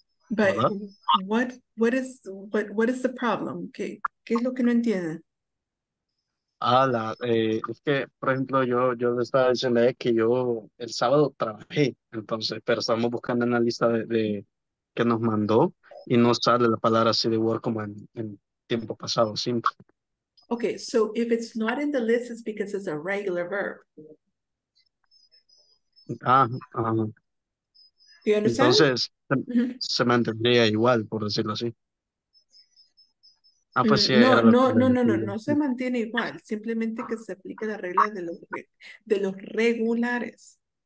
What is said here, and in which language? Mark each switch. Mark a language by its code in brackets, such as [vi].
[en] But what is the problem? [es] ¿Qué es lo que no entiende? Es que, por ejemplo, yo le estaba diciendo que yo el sábado trabajé, entonces, pero estamos buscando en la lista de que nos mandó y no sale la palabra city work como en tiempo pasado, simple. [en] Okay, so if it's not in the list, it's because it's a regular verb. Do you understand? [es] Entonces, se me entendía igual, por decirlo así. Ah, pues sí, no, se mantiene igual, simplemente que se aplique la regla de los regulares.